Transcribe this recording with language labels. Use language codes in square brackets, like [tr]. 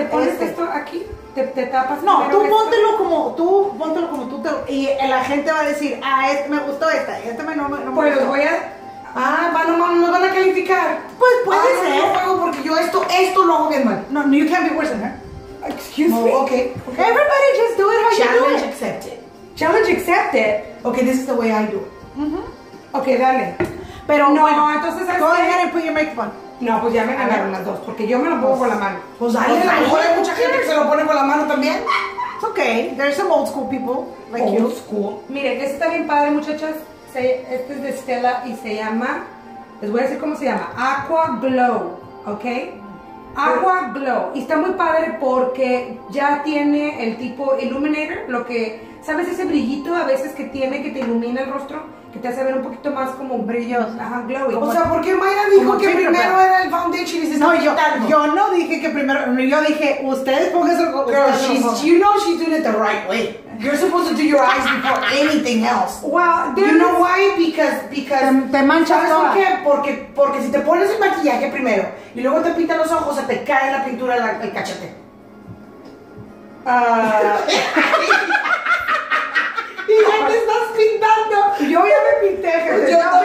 [es] ¿Te pones esto aquí? ¿Te tapas? No, póntelo como tú, y la gente va a decir, este me gustó esta, y este no me gustó. Pues voy a... nos van a calificar. Pues puede ser. No juego porque yo esto lo hago bien mal. [en] No, you can't be worse than her. Excuse me. Okay. Everybody just do it how you do it. Challenge accepted. Challenge accepted. Okay, this is the way I do it. [es] Mm-hmm. Ok, dale. Pero no, bueno, entonces [en] go ahead and put your makeup on. [es] No, pues ya me ganaron las dos, porque yo me lo pongo con la mano. Pues dale, a lo mejor hay mucha gente que se lo pone con la mano también. [en] It's okay, there's some old school people like old you. Old school. [es] Miren, este está bien padre, muchachas. Este es de Stella y se llama, les voy a decir cómo se llama, Aqua Glow, ¿ok? Aqua Glow. Y está muy padre porque ya tiene el tipo Illuminator, lo que, ¿sabes ese brillito a veces que tiene que te ilumina el rostro? Que te hace ver un poquito más como brilloso. Ajá, glowy. O sea, ¿por qué Mayra dijo que primero era el foundation y dices, no, yo no dije que primero, yo dije, ustedes pongan su... [en] Girl, you know she's doing it the right way. You're supposed to do your eyes before anything else. Well, you know why? Because [es] te manchas todo. ¿Sabes por qué? Porque si te pones el maquillaje primero y luego te pintas los ojos, se te cae la pintura el cachete. Y ya te estás pintando. Yo ya me pinté, gente.